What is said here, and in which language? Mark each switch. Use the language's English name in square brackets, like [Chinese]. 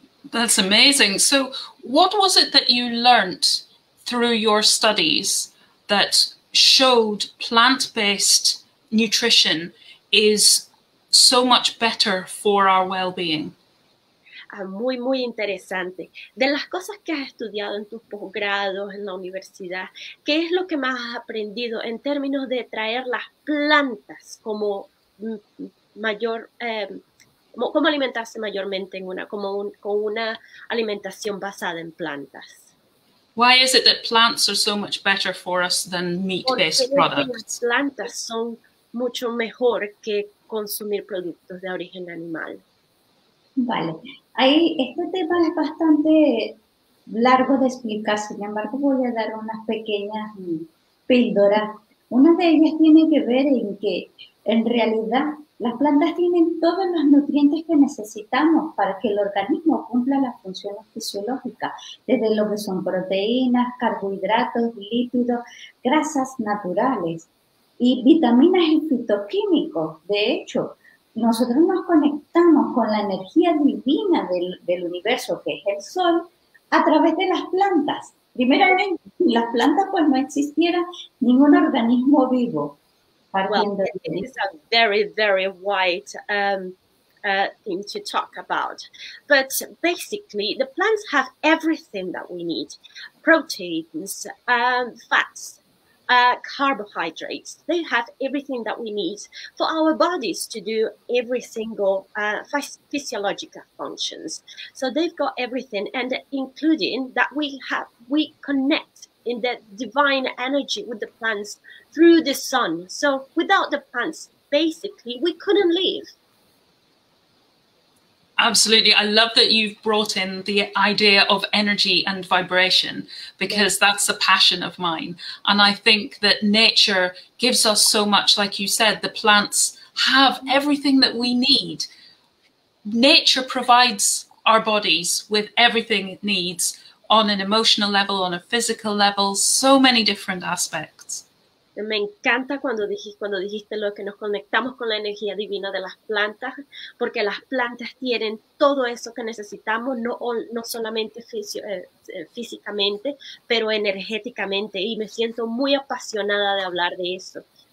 [English] That's amazing. So, what was it that you learnt through your studies that showed plant-based nutrition is so much better for our well-being? [Spanish] Muy, muy interesante. De las cosas que has estudiado en tus posgrados, en la universidad, ¿qué es lo que más has aprendido en términos de traer las plantas como mayor, cómo alimentarse mayormente en una, como un, con una alimentación basada en plantas? [English] Why is it that plants are so much better for us than meat-based products? [Spanish] Las plantas son mucho mejor que consumir productos de origen animal. Vale. Ahí, este tema es bastante largo de explicar, sin embargo voy a dar unas pequeñas píldoras. Una de ellas tiene que ver en que, en realidad, las plantas tienen todos los nutrientes que necesitamos para que el organismo cumpla las funciones fisiológicas, desde lo que son proteínas, carbohidratos, lípidos, grasas naturales y vitaminas y fitoquímicos. De hecho, nosotros nos conectamos con la energía divina del universo, que es el sol, a través de las plantas. Primeramente, las plantas, pues, no existiera ningún organismo vivo. [English] Well, it's a very, very wide thing to talk about. But basically, the plants have everything that we need. Proteins, fats, carbohydrates. They have everything that we need for our bodies to do every single physiological functions. So they've got everything, and including that we connect in the divine energy with the plants through the sun. So without the plants, basically, we couldn't live. Absolutely. I love that you've brought in the idea of energy and vibration, because that's a passion of mine. And I think that nature gives us so much. Like you said, the plants have everything that we need. Nature provides our bodies with everything it needs on an emotional level, on a physical level, so many different aspects. [Spanish] Me encanta cuando dijiste lo que nos conectamos con la energía divina de las plantas, porque las plantas tienen todo eso que necesitamos, no solamente físicamente, pero energéticamente, y me siento muy apasionada de hablar de eso.